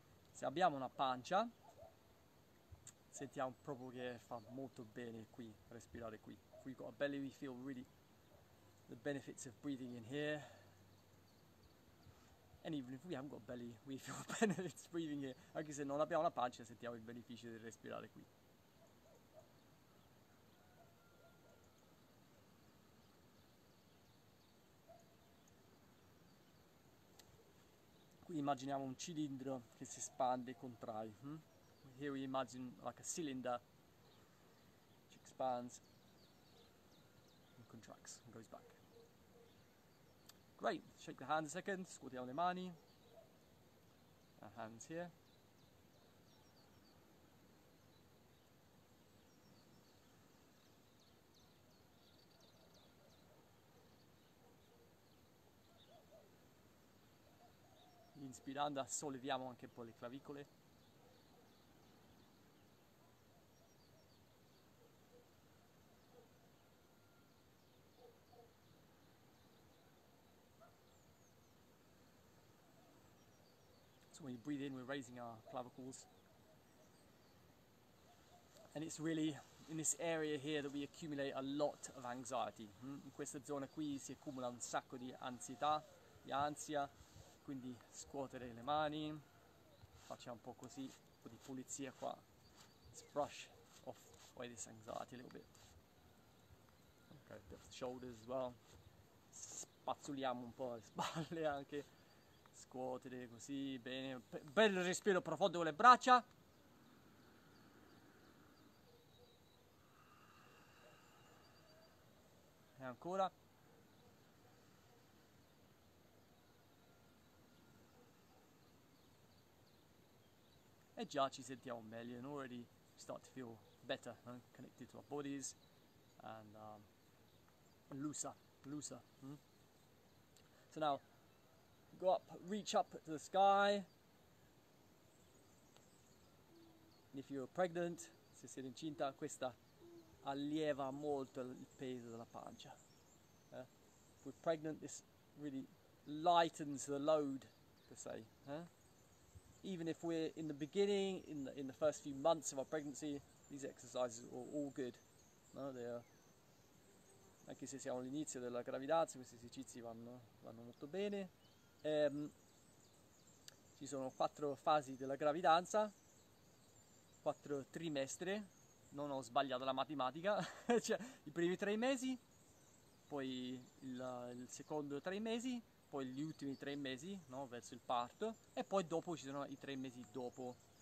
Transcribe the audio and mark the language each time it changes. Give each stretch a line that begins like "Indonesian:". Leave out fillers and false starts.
Italian: Se abbiamo una pancia, sentiamo proprio che fa molto bene qui, respirare qui.
English: If we've got a belly, we feel really the benefits of breathing in here. And even if we haven't got a belly, we feel the benefits of breathing here.
Italian: Anche se non abbiamo la pancia, sentiamo il beneficio di respirare qui. Qui immaginiamo un cilindro che si espande e contrae.
English: Here we imagine like a cylinder which expands. Contracts and goes back. Great, shake the hand a second,
Italian: scuotiamo le mani,
English: our hands here.
Italian: Inspirando, solleviamo anche un po' le clavicole.
English: So when you breathe in, we're raising our clavicles. And it's really in this area here that we accumulate a lot of anxiety.
Italian: In questa zona qui si accumula un sacco di ansietà, di ansia. Quindi scuotere le mani. Facciamo un po' così, un po' di pulizia qua.
English: Let's brush off away this anxiety a little bit. Okay, a bit of the shoulders as well.
Italian: Spazzoliamo un po' le spalle anche. Scuotere così, bene, bel respiro profondo con le braccia. E ancora. E già ci sentiamo meglio,
English: and already start to feel better, connected to our bodies, and looser. So now, go up, reach up to the sky. And if you're pregnant,
Italian: se siete incinta, questa allieva molto il peso della pancia.
English: If we're pregnant, this really lightens the load, per se. Even if we're in the beginning, in the first few months of our pregnancy, these exercises are all good.
Italian: Anche se siamo all'inizio della gravidanza, questi esercizi vanno molto bene. Ci sono quattro fasi della gravidanza, quattro trimestri, non ho sbagliato la matematica, cioè i primi tre mesi, poi il secondo tre mesi, poi gli ultimi tre mesi, no, verso il parto, e poi dopo ci sono i tre mesi dopo.